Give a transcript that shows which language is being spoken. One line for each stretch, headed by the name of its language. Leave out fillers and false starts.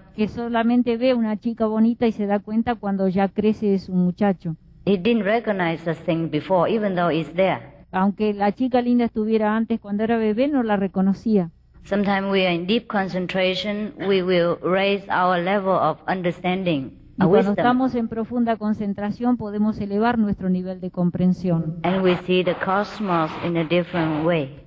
Spanish: Que solamente ve una chica bonita y se da cuenta cuando ya crece es un muchacho.
English: He didn't recognize the thing before, even though it's there.
Spanish: Aunque la chica linda estuviera antes cuando era bebé, no la reconocía.
English: Sometimes we are in deep concentration, we will raise our level of understanding.
Spanish: Y cuando estamos en profunda concentración, podemos elevar nuestro nivel de comprensión.
English: And we see the cosmos in a different way.